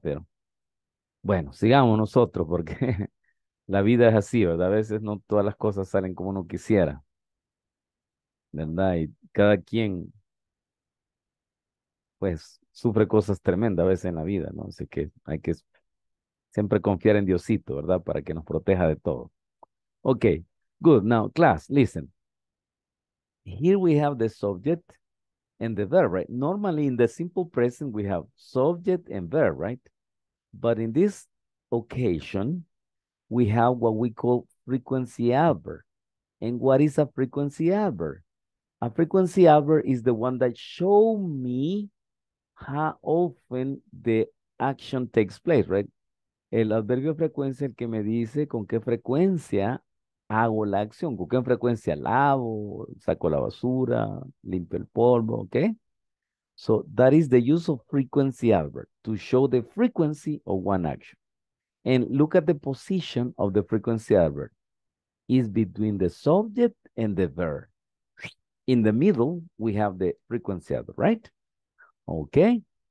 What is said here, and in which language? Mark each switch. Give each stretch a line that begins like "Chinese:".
Spanish: Pero bueno, sigamos nosotros porque la vida es así, ¿verdad? A veces no todas las cosas salen como uno quisiera, ¿verdad? Y cada quien pues sufre cosas tremendas a veces en la vida, ¿no? Así que hay que siempre confiar en Diosito, ¿verdad? Para que nos proteja de todo.
English: Okay, good. Now, class, listen. Here we have the subject, and the verb, right? Normally in the simple present, we have subject and verb, right? But in this occasion, we have what we call frequency adverb. And what is a frequency adverb? A frequency adverb is the one that show me how often the action takes place, right?
Spanish: El adverbio de frecuencia es el que me dice con qué frecuencia hago la acción, con qué frecuencia lavo, saco la basura, limpio el polvo, okay?
English: So that is the use of frequency adverb, to show the frequency of one action. And look at the position of the frequency adverb. It's between the subject and the verb. In the middle, we have the frequency adverb, right? Okay.